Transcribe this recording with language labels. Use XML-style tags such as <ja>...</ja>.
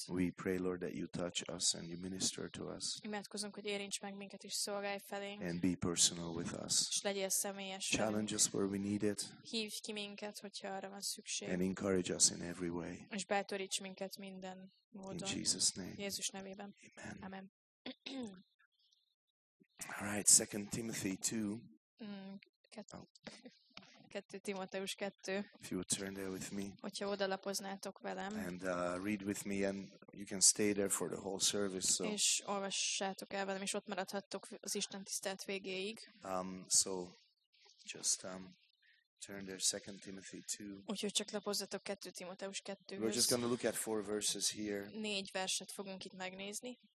<en>We pray, Lord, that you touch us and you minister to us.</en> <hu>Imádkozunk, hogy érints meg minket és szolgálj felénk.</hu> <en>And be personal with us.</en> <hu>És legyél személyes.</hu> <en>Challenge us where we need it.</en> <hu>Hívj ki minket, hogyha arra van szükség.</hu> <en>And encourage us in every way.</en> <hu>És bátoríts minket minden módon.</hu> <en>In Jesus' name.</en> <hu>Jézus nevében.</hu> <en>Amen. All right, 2 Timothy 2.</en> <hu>Kettő Timoteus 2.</hu> <en>If you would turn there with me.</en> <hu>Hogyha odalapoznátok velem.</hu> <en>And read with me, and you can stay there for the whole service. So.</en> <hu>És olvassátok el velem, és ott maradhattok az Isten tisztelet végéig.</hu> <en>So, just turn there, 2 Timothy 2.</en> <hu>Úgyhogy csak lapozzatok 2 Timoteus 2-höz.</hu> <en>We're just going to look at 4 verses here.</en> <hu>4 verset fogunk itt megnézni.</hu>